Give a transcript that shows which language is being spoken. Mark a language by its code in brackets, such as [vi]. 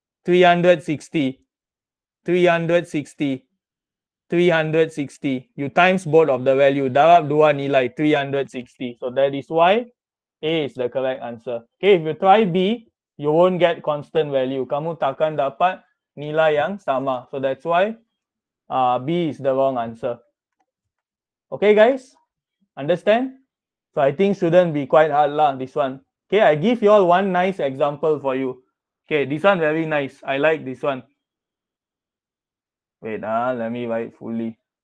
[en] You times both of the value. [ms] Darab dua nilai, 360. [en] So that is why A is the correct answer. Okay, if you try B, you won't get constant value. [ms] Kamu takkan dapat nilai yang sama. [en] So that's why B is the wrong answer. Okay, guys? Understand? So I think shouldn't be quite hard lah, this one. Okay, I give you all one nice example for you. Okay, this one very nice. I like this one. Wait, let me write fully.